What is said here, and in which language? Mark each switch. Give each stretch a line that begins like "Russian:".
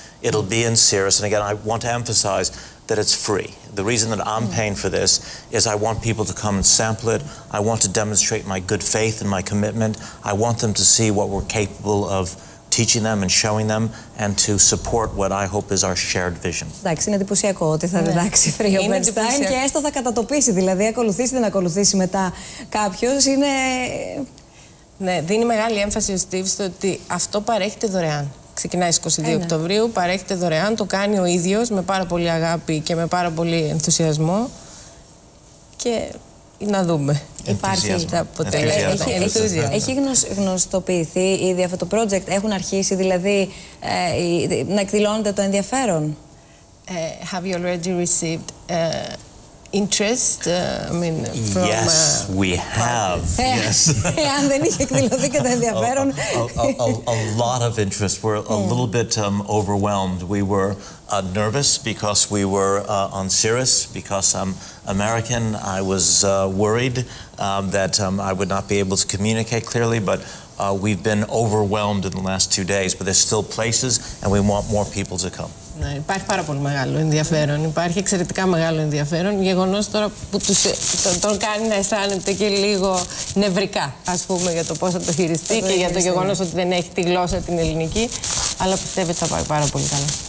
English: It'll be in Cirrus, and again, I want to emphasize that it's free. The reason that I'm paying for this is I want people to come and sample it. I want to demonstrate my good faith and my commitment. I want them to see what we're capable of teaching them and showing them, and to support what I hope is our shared vision.
Greek: Εντάξει, είναι εντυπωσιακό ότι θα διδάξει free ο Bernstein και έστω θα κατατοπίσει, δηλαδή ακολουθήσει δεν ακολουθήσει μετά κάποιος, είναι... Ναι, δίνει μεγάλη έμφαση ο Steve στο ότι αυτό παρέχεται δωρεάν. Ξεκινάει 22 Οκτωβρίου, παρέχεται δωρεάν, το κάνει ο ίδιος με πάρα πολύ αγάπη και με πάρα πολύ ενθουσιασμό και να δούμε. Υπάρχει τα αποτελέσματα. Έχει γνωστοποιηθεί ήδη αυτό το project, έχουν αρχίσει δηλαδή να εκδηλώνεται το ενδιαφέρον?
English: Have you already received interest? Yes, we have. Yes.
Greek: Αν δεν είχε εκδηλωθεί και το ενδιαφέρον.
English: A lot of interest. We're a little bit overwhelmed. We were nervous because we were on Cirrus, because I'm American. I was worried that I would not be able to communicate clearly, but we've been overwhelmed in the last two days. But there's still places, and we want more people to come.
Greek: Ναι, υπάρχει πάρα πολύ μεγάλο ενδιαφέρον. Υπάρχει εξαιρετικά μεγάλο ενδιαφέρον. Γεγονός τώρα που τον κάνει να αισθάνεται και λίγο νευρικά, ας πούμε, για το πώς θα το χειριστεί και για το γεγονός ότι δεν έχει τη γλώσσα την ελληνική. Αλλά πιστεύω ότι θα πάει πάρα πολύ καλά.